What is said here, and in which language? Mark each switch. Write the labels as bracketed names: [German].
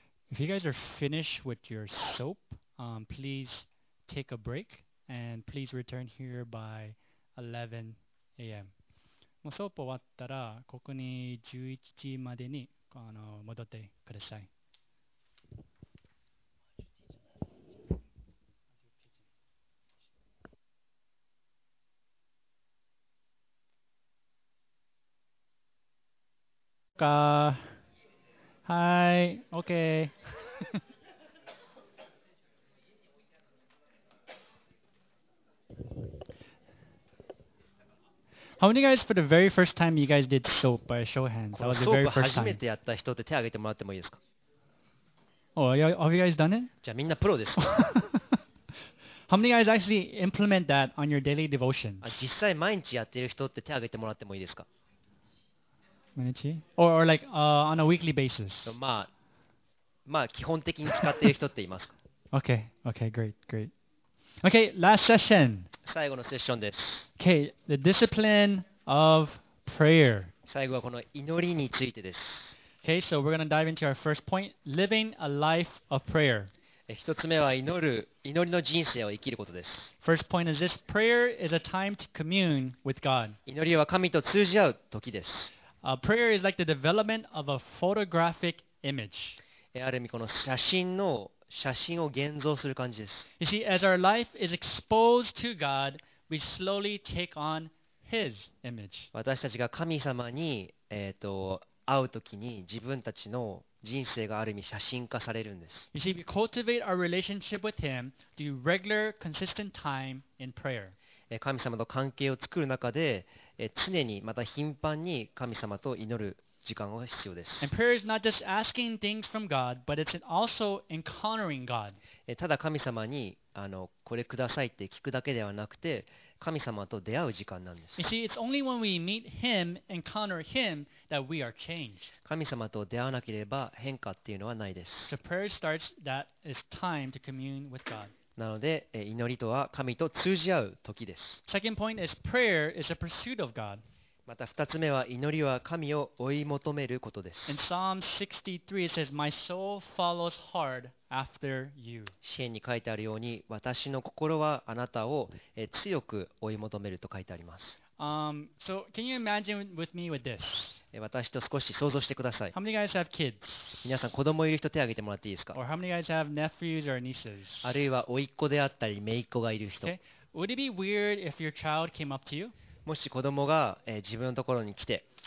[English] If you guys are finished with your soap, please take a break and please return here by 11 a.m. [Japanese] もうソープ終わったらここに11時までに戻ってください。か、はい、OK。 [English] How many guys for the very first time you guys did soap by a show of hands? That was the very first time. [Japanese] 初めてやった人って手を挙げてもらってもいいですか? [English] Oh, yeah, have you guys done it? [Japanese] じゃあみんなプロです。 [English] How many guys actually implement that on your daily devotions? [Japanese] 実際毎日やってる人って手を挙げてもらってもいいですか? 毎日? [English] Or like on a weekly basis? [Japanese] まあ基本的に使っている人っていますか? [English] Okay, great. Okay, last session. [Japanese] 最後のセッションです。 [English] Okay, the discipline of prayer. [Japanese] 最後はこの祈りについてです。 [English] Okay, so we're going to dive into our first point, living a life of prayer. [Japanese] 一つ目は祈りの人生を生きることです。 [English] First point is this, prayer is a time to commune with God. [Japanese] 祈りは神と通じ合う時です。 [English] Prayer is like the development of a photographic image. [Japanese] ある意味この写真の写真を現像する感じです。 [English] You see, as our life is exposed to God, we slowly take on His image. [Japanese] 私たちが神様に、会うときに自分たちの人生がある意味写真化されるんです。 [English] You see, we cultivate our relationship with Him through regular, consistent time in prayer. [Japanese] 神様と関係を作る中で、常にまた頻繁に神様と祈る。時間が必要です。 [English] And prayer is not just asking things from God, but it's also encountering God. [Japanese] ただ神様にこれくださいって聞くだけではなくて、神様と出会う時間なんです。 [English] You see, it's only when we meet Him, encounter Him, that we are changed. [Japanese] 神様と出会わなければ変化っていうのはないです。 [English] So prayer starts that is time to commune with God. [Japanese] なので祈りとは神と通じ合う時です。 [English] Second point is prayer is a pursuit of God. [Japanese] また二つ目は祈りは神を追い求めることです。 [English] In Psalm 63 it says, My soul follows hard after you. [Japanese] 詩篇に書いてあるように、私の心はあなたを強く追い求めると書いてあります。 [English] So can you imagine with me with this? [Japanese] 私と少し想像してください。 [English] How many guys have kids? [Japanese] 皆さん子供いる人手を挙げてもらっていいですか? [English] Or how many guys have nephews or nieces? [Japanese] あるいは甥っ子であったり姪っ子がいる人。 [English] Okay. Would it be weird if your child came up to you? [Japanese] もし子供が、自分のところに来て